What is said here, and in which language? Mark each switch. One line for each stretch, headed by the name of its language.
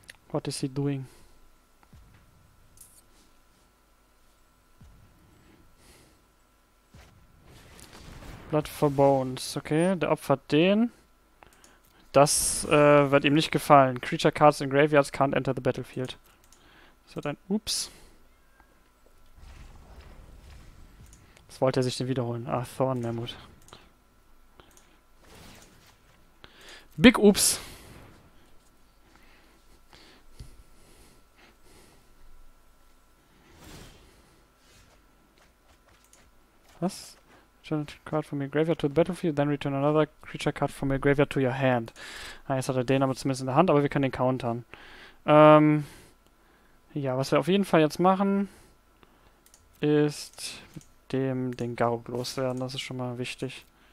English: What is he doing?
German: Blood for Bones. Okay, der opfert den. Das wird ihm nicht gefallen.
English: Creature cards in graveyards can't enter the battlefield.
German: Das wird ein... Ups. Was wollte er sich denn wiederholen? Ah, Thorn Mammut.
English: Big Ups.
German: Was?
English: Return a card from your graveyard to the battlefield, then return another creature card from your graveyard to your hand.
German: Ah, jetzt hat er den aber zumindest in der Hand, aber wir können den countern. Ja, was wir auf jeden Fall jetzt machen, ist mit dem den Garruk loswerden, das ist schon mal wichtig.